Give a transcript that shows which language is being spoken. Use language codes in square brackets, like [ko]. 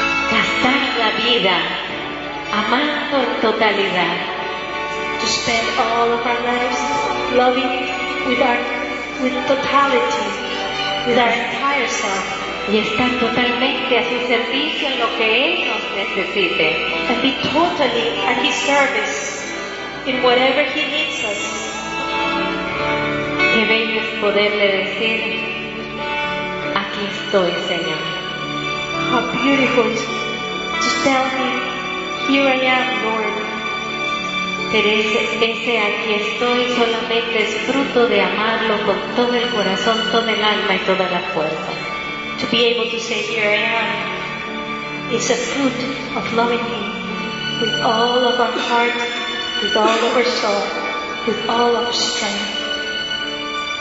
[es] Gastar la vida amando en totalidad. [en] To spend all of our lives loving with totality, with our entire self. [es] Y estar totalmente a su servicio en lo que Él nos necesite. [en] And be totally at His service in whatever He needs us. [es] Qué bello es poderle decir, aquí estoy, Señor. [en] How beautiful to tell Him, here I am, Lord. [es] Ese aquí estoy solamente es fruto de amarlo con todo el corazón, todo el alma y toda la fuerza. [en] To be able to say here I am is a fruit of loving him with all of our heart, with all of our soul, with all of our strength.